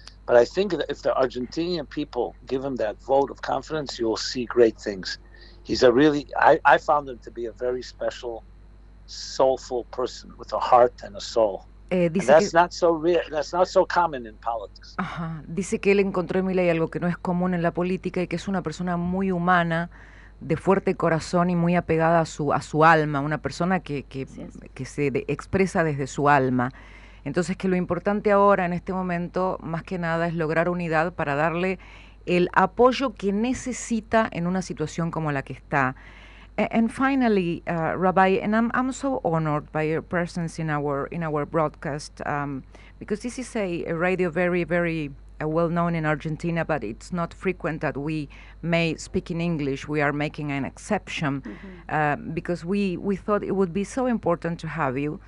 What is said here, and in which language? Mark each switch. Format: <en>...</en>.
<en>But I think that if the Argentinian people give him that vote of confidence, you'll see great things. He's a really, I found him to be a very special, soulful person with a heart and a soul. And</en> <es>Dice</es> <en>that's</en> <es>que</es> <en>not so real, that's not so common in politics.</en> <es>dice que él encontró en Milei algo que no es común en la política y que es una persona muy humana, de fuerte corazón y muy apegada a su alma, una persona Así es. que se expresa desde su alma. Entonces, que lo importante ahora, en este momento, más que nada, es lograr unidad para darle el apoyo que necesita en una situación como la que está.</es> <en>And finally, Rabbi, and I'm so honored by your presence in our broadcast, because this is a radio very, very well known in Argentina, but it's not frequent that we may speak in English. We are making an exception because we thought it would be so important to have you.</en>